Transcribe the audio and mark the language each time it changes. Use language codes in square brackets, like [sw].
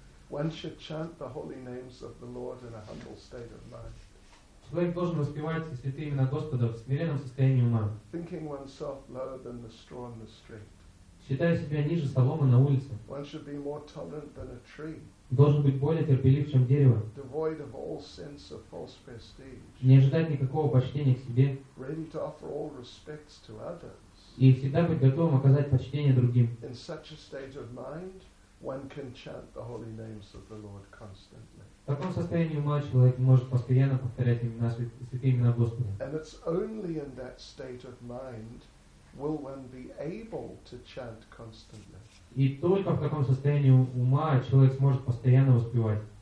[en] One should chant the holy names of the Lord in a humble state of mind. [ru] Человек должен воспевать святые имена Господа в смиренном состоянии ума. [en] Thinking oneself lower than the straw on the street. [ru] Считая себя ниже соломы на улице. [en] One should be more tolerant than a tree. [ru] Должен быть более терпелив, чем дерево. [en] Devoid of all sense of false prestige. [ru] Не ожидать никакого почтения к себе. [en] Ready to offer all respects to others. [ru] И всегда быть готовым оказать почтение другим. [en] In such a state of mind, one can chant the holy names of the Lord constantly. [ru] В таком состоянии ума человек может постоянно повторять имена святые имена Господа. [en] And it's only in that state of mind will one be able to chant constantly. [ru] И только в таком состоянии ума человек сможет постоянно воспевать.